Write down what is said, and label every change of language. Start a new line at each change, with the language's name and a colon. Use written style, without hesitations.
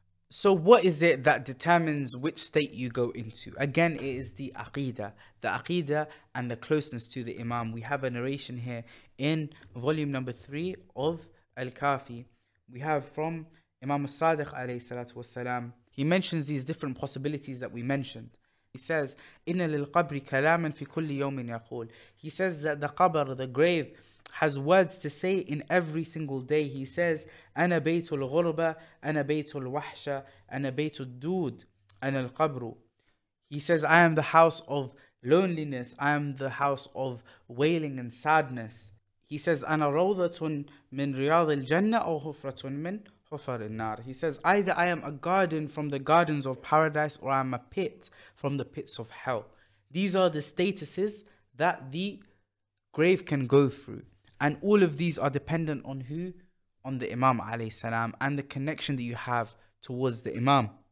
English: So what is it that determines which state you go into? Again, it is the aqidah and the closeness to the Imam. We have a narration here in volume number 3 of Al-Kafi. we have from Imam al-Sadiq alayhi salatu wasalam. He mentions these different possibilities that we mentioned. He says,
Arabic: إِنَّ لِلْقَبْرِ كَلَامًا فِي كُلِّ يَوْمٍ يَقُولُ.
English: He says that the qabr, the grave, has words to say in every single day. He says,
Arabic: أَنَا بَيْتُ الْغُرْبَ أَنَا بَيْتُ الْوَحْشَ أَنَا بَيْتُ الدُّود أَنَا الْقَبْرُ.
English: He says, I am the house of loneliness. I am the house of wailing and sadness. He says,
Arabic: أَنَا رَوْضَةٌ مِنْ رِيَاضِ الْجَنَّةِ أَوْ هُفْرَةٌ مِنْ حُفَرِ النَّارِ.
English: He says, either I am a garden from the gardens of paradise, or I am a pit from the pits of hell. These are the statuses that the grave can go through. And all of these are dependent on who? On the Imam alayhi salam, and the connection that you have towards the Imam.